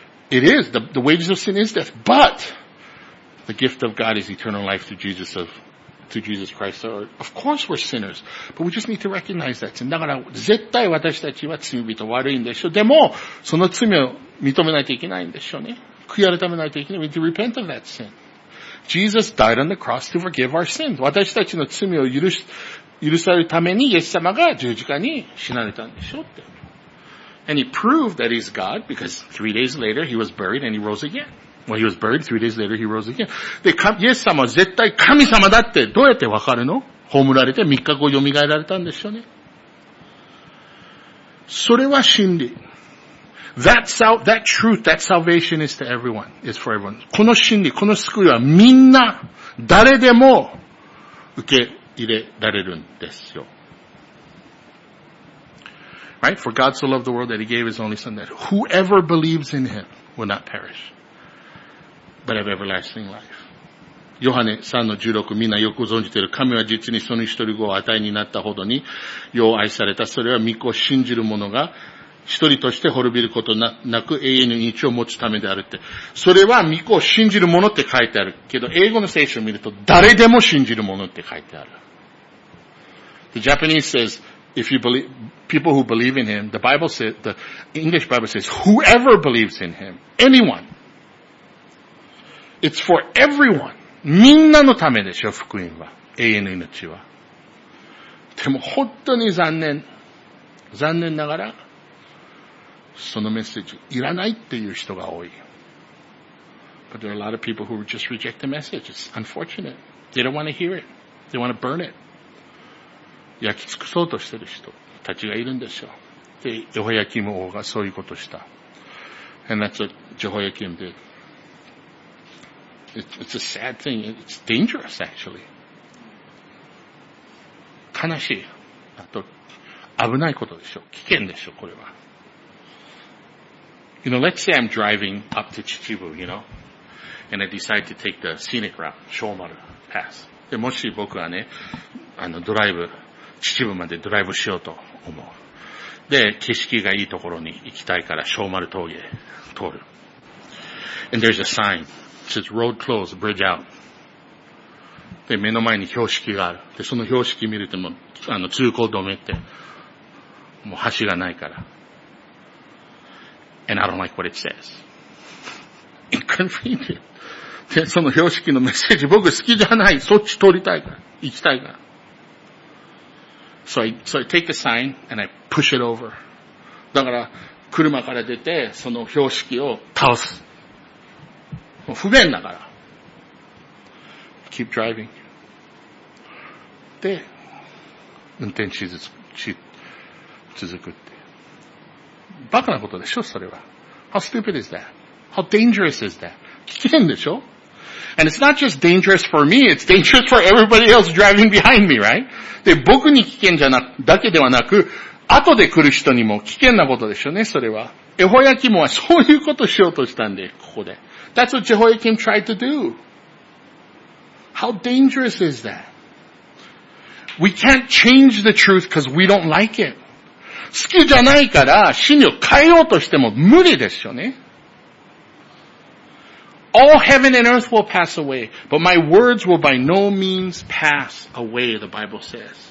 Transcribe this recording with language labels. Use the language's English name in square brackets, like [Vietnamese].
[English] It is. The wages of sin is death. But the gift of God is eternal life through Jesus Christ. So, of course we're sinners. But we just need to recognize that. [Japanese] だから絶対私たちは罪人悪いんでしょ。でも、その罪を認めないといけないんでしょうね。悔い改めないといけない。 [English] We need to repent of that sin. Jesus died on the cross to forgive our sins. [Japanese] 私たちの罪を許されるためにイエス様が十字架に死なれたんでしょって。 [English] And he proved that he's God because 3 days later he was buried and he rose again. Well, he was buried, 3 days later he rose again. [Japanese] で、イエス様は絶対神様だってどうやってわかるの？葬られて3日後蘇られたんでしょうね。それは真理。 [English] That truth, that salvation is to everyone, is for everyone. [Japanese] この真理、この救いはみんな、誰でも受け入れられるんですよ。 [English] Right? For God so loved the world that he gave his only son that whoever believes in him will not perish, but have everlasting life. [Japanese] ヨハネ3の16、みんなよく存じている。神は実にその一人子を与えになったほどに、よう愛された。それは御子を信じる者が、一人として滅びることなく永遠の命を持つためであるって。それは御子を信じる者って書いてある。けど、英語の聖書を見ると、誰でも信じる者って書いてある。 [English] The Japanese says, if you believe, people who believe in him, the Bible says, the English Bible says, whoever believes in him, anyone. It's for everyone. [Japanese] みんなのためでしょ、福音は。永遠の命は。でも本当に残念。残念ながら、そのメッセージいらないっていう人が多い。 [English] But there are a lot of people who just reject the message. It's unfortunate. They don't want to hear it. They want to burn it. [Japanese] 焼き尽くそうとしてる人たちがいるんでしょう。で、ヨホヤキム王がそういうことした。 [English] And that's what Jehoiakim did. It's a sad thing. It's dangerous, actually. [Japanese] 悲しい。あと、危ないことでしょ。危険でしょ、これは。 [English] You know, let's say I'm driving up to Chichibu, you know, and I decide to take the scenic route, Shomaru Pass. [Japanese] で、もし僕はね、ドライブ、Chichibuまでドライブしようと思う。で、景色がいいところに行きたいから、Shomaru峠へ通る。 [English] And there's a sign. It says, road closed, bridge out. [Japanese] で、目の前に標識がある。で、その標識見ると、通行止めって、もう橋がないから。 [English] And I don't like what it says. Inconvenient. [Japanese] で、その標識のメッセージ、僕好きじゃない。そっち通りたいから。行きたいから。 [English] So I take a sign and I push it over. [Japanese] だから、車から出て、その標識を倒す。不便だから。 [English] Keep driving. [Japanese] で、運転し続くって。バカなことでしょ、それは。 [English] How stupid is that? How dangerous is that? [Japanese] 危険でしょ? [English] And it's not just dangerous for me, it's dangerous for everybody else driving behind me, right? [Japanese] で、僕に危険じゃな、だけではなく、後で来る人にも危険なことでしょうね、それは。エホヤキモはそういうことしようとしたんで、ここで。 [English] That's what Jehoiakim tried to do. How dangerous is that? We can't change the truth because we don't like it. [Japanese] 好きじゃないから真理を変えようとしても無理ですよね。 [English] All heaven and earth will pass away, but my words will by no means pass away, the Bible says.